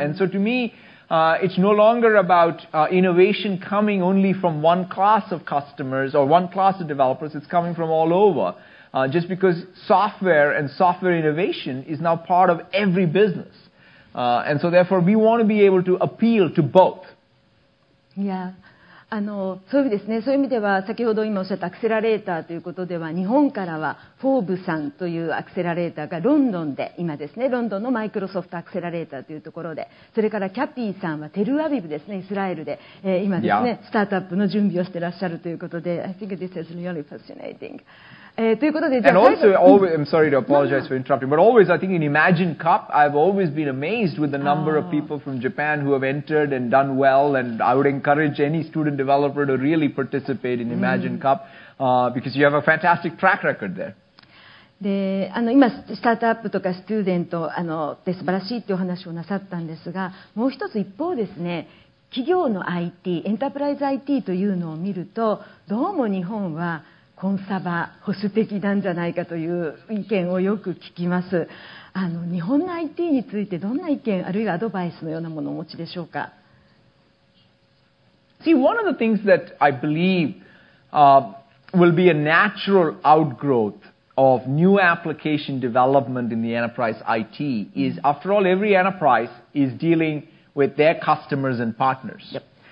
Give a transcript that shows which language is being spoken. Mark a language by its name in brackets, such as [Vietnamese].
[English] And so to me, it's no longer about innovation coming only from one class of customers or one class of developers. It's coming from all over, just because software and software innovation is now part of every business. And so therefore, we want to be able to appeal to both. Yeah. [Japanese] そういうですね、そういう意味では先ほど今おっしゃったアクセラレーターということでは、日本からはフォーブさんというアクセラレーターがロンドンで、今ですね、ロンドンのマイクロソフトアクセラレーターというところで、それからキャピーさんはテルアビブですね、イスラエルで、今ですね、スタートアップの準備をしてらっしゃるということで、 [English] I think this is really fascinating. [Japanese] ということで、じゃあ、 [English] And also, always, I'm sorry to apologize for interrupting, but always, I think in Imagine Cup, I've always been amazed with the number of people from Japan who have entered and done well, and I would encourage any student developer to really participate in Imagine Cup, because you have a fantastic track record there. [Japanese] で今スタートアップとかスチューデントで素晴らしいというお話をなさったんですが、もう一つ一方ですね、企業の IT、 エンタープライズ IT というのを見ると、どうも日本はコンサバ保守的なんじゃないかという意見をよく聞きます。日本の IT についてどんな意見、あるいはアドバイスのようなものをお持ちでしょうか。 [English] See, one of the things that I believe will be a natural outgrowthof new application development in the enterprise IT is, after all, every enterprise is dealing with their customers and partners. Yep.